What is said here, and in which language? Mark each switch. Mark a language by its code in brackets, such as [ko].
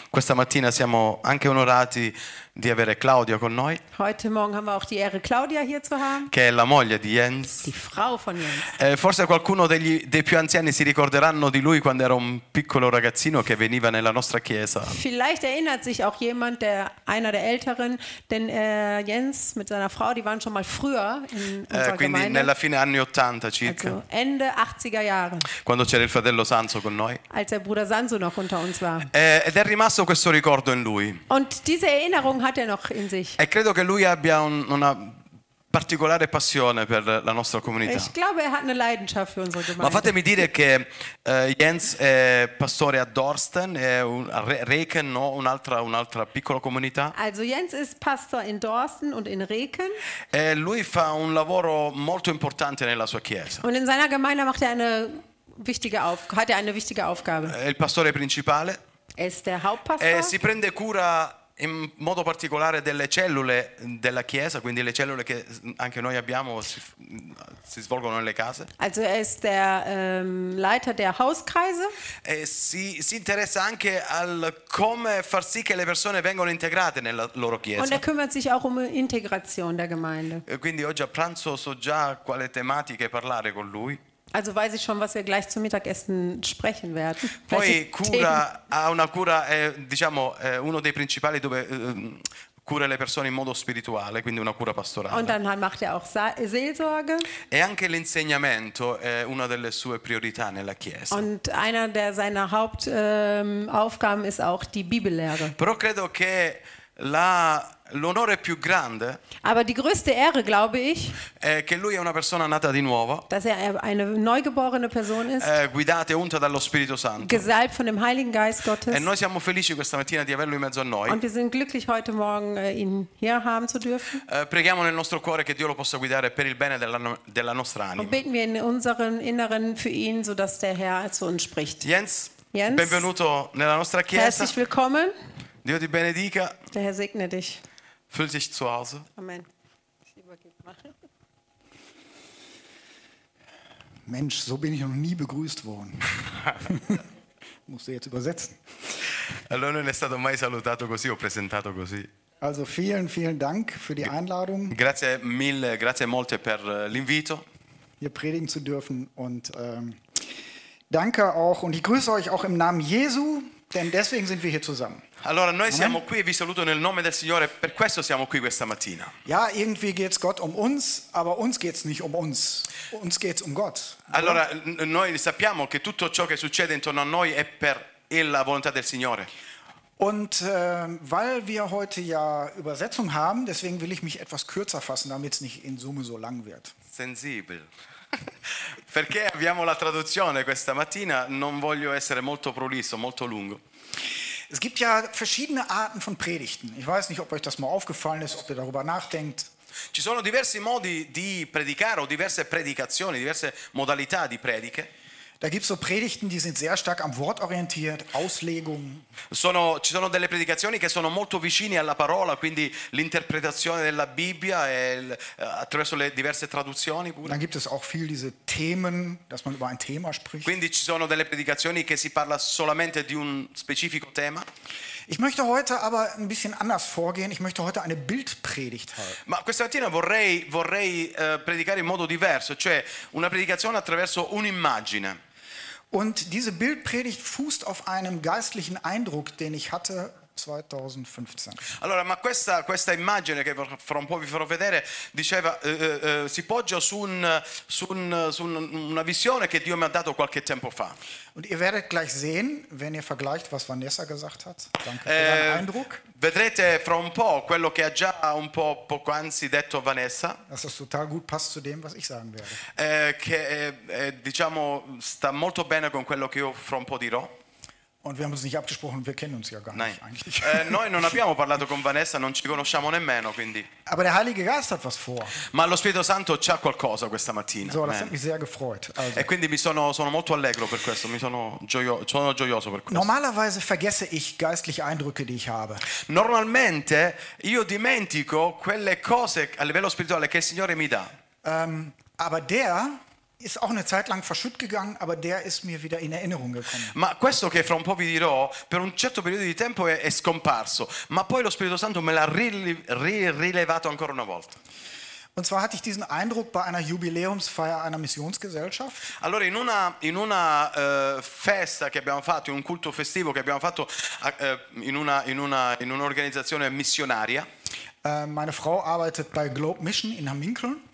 [it] Questa mattina siamo anche onorati di avere Claudia con noi. [de] Heute Morgen haben wir auch die Ehre, Claudia hier zu haben. [it] Che è la moglie di Jens. [de] Die Frau von Jens. [it] Forse qualcuno dei più anziani si ricorderanno di lui quando era un piccolo ragazzino che veniva nella nostra chiesa. [de] Vielleicht erinnert sich auch jemand, einer der Älteren, denn Jens mit seiner Frau, die waren schon mal früher in unserer Gemeinde. [it] Quindi nella fine anni 80 circa. [de] Also Ende 80er Jahre. [it] Quando c'era il fratello Sanzo con noi. [de] Als der Bruder Sanzo noch unter uns war. [it] Ed è rimasto questo ricordo in lui. [de] Und diese Erinnerung hat noch in sich. [it] E credo che lui abbia una particolare passione per la nostra comunità. [de] Ich glaube, er hat eine Leidenschaft für unsere Gemeinde. [it] Ma fatemi dire che Jens è pastore a Dorsten, a Reken, no? un'altra piccola comunità. [de] Also Jens ist Pastor in Dorsten und in Reken. [it] E lui fa un lavoro molto importante nella sua chiesa. [de] Und in seiner Gemeinde macht er eine wichtige hat er eine wichtige Aufgabe. [it] È il pastore principale. [de] Er ist der Hauptpastor. [it] E si prende cura in modo particolare delle cellule della chiesa, quindi le cellule che anche noi abbiamo si svolgono nelle case. [de] Also er ist der Leiter der Hauskreise. [it] E si interessa anche al come far sì che le persone vengano integrate nella loro chiesa. [de] Und er kümmert sich auch um Integration der Gemeinde. [it] E quindi oggi a pranzo so già quale tematiche parlare con lui. [de] Also weiß ich schon, was wir gleich zum Mittagessen sprechen werden. [it] Poi cura ha una cura diciamo uno dei principali dove cura le persone in modo spirituale, quindi una cura pastorale. [de] Und dann macht er auch Seelsorge. [it] E anche l'insegnamento è una delle sue priorità nella chiesa. [de] Und einer der seiner Hauptaufgaben ist auch die Bibellehre. [it] Però credo che l'onore più grande. [de] Aber die größte Ehre, glaube ich. [it] Che lui è una persona nata di nuovo. [de] Dass er eine neugeborene Person ist. [it] Guidata e unta dallo Spirito Santo. [de] Gesalbt von dem Heiligen Geist Gottes. [it] E noi siamo felici questa mattina di averlo in mezzo a noi. [de] Und wir sind glücklich heute Morgen ihn hier haben zu dürfen. [it] Preghiamo nel nostro cuore che Dio lo possa guidare per il bene della nostra anima. [de] Und beten wir in unserem Inneren für ihn, so dass der Herr zu uns spricht. [it] Jens, benvenuto nella nostra chiesa. [de] Herzlich willkommen. [it] Dio ti benedica. [de] Der Herr segne dich. Fühlt sich zu Hause. Amen. Mensch, so bin ich noch nie begrüßt worden. Musst du jetzt übersetzen. [it] Allora non è stato mai salutato così o presentato così. [de] Also vielen, vielen Dank für die Einladung. [it] Grazie mille, grazie molte per l'invito. [de] Hier predigen zu dürfen und danke auch und ich grüße euch auch im Namen Jesu, denn deswegen sind wir hier zusammen. [it] Allora noi siamo qui e vi saluto nel nome del Signore, per questo siamo qui questa mattina. [de] Ja, irgendwie geht's Gott um uns, aber uns geht's nicht um uns. Uns geht's um Gott. [it] Allora noi sappiamo che tutto ciò che succede intorno a noi è per la volontà del Signore. [de] Und weil wir heute ja Übersetzung haben, deswegen will ich mich etwas kürzer fassen, damit es nicht in Summe so lang wird. Sensibel. [it] Perché abbiamo la traduzione questa mattina, non voglio essere molto prolisso, molto lungo. [de] Es gibt ja verschiedene Arten von Predigten. Ich weiß nicht, ob euch das mal aufgefallen ist, ob ihr darüber nachdenkt. [it] Ci sono diversi modi di predicare o diverse predicazioni, diverse modalità di prediche. [de] Da gibt's so Predigten, die sind sehr stark am Wort orientiert, Auslegung. [it] Ci sono delle predicazioni che sono molto vicine alla parola, quindi l'interpretazione della Bibbia e attraverso le diverse traduzioni pure. [de] Dann gibt es auch viel diese Themen, dass man über ein Thema spricht. [it] Quindi ci sono delle predicazioni che si parla solamente di un specifico tema. [de] Ich möchte heute aber ein bisschen anders vorgehen. Ich möchte heute eine Bildpredigt halten. [it] Ma questa mattina vorrei predicare in modo diverso, cioè una predicazione attraverso un'immagine. [de] Und diese Bildpredigt fußt auf einem geistlichen Eindruck, den ich hatte 2015. [it] Allora, ma questa immagine che fra un po' vi farò vedere, diceva si poggia su una visione che Dio mi ha dato qualche tempo fa. [de] Und ihr werdet gleich sehen, wenn ihr vergleicht, was Vanessa gesagt hat. Danke für deinen Eindruck. [it] Vedrete fra un po' quello che ha già un po' poc'anzi detto Vanessa. [de] Dass das total gut passt zu dem, was ich sagen werde. [it] Diciamo sta molto bene con quello che io fra un po' dirò. [de] Und wir haben uns nicht abgesprochen, wir kennen uns ja gar Nein. nicht eigentlich. [it] Noi non abbiamo parlato con Vanessa, non ci conosciamo nemmeno, quindi. [de] Aber der Heilige Geist hat was vor. [it] Ma lo Spirito Santo c'ha qualcosa questa mattina. [de] So, das hat mich sehr gefreut. Also. [it] E quindi sono molto allegro per questo, sono gioioso per questo. [de] Normalerweise vergesse ich geistliche Eindrücke, die ich habe. [it] Normalmente io dimentico quelle cose a livello spirituale che il Signore mi dà. [de] Aber der ist auch eine Zeit lang verschütt gegangen, aber der ist mir wieder in Erinnerung gekommen. [it] Ma questo che fra un po' vi dirò, per un certo periodo di tempo è scomparso, ma poi lo Spirito Santo me l'ha rilevato ancora una volta. [de] Und zwar hatte ich diesen Eindruck bei einer Jubiläumsfeier einer Missionsgesellschaft. [it] Allora in una festa che abbiamo fatto, in un culto festivo che abbiamo fatto in una organizzazione missionaria. [de] Meine Frau arbeitet bei Globe Mission in Hamminkeln.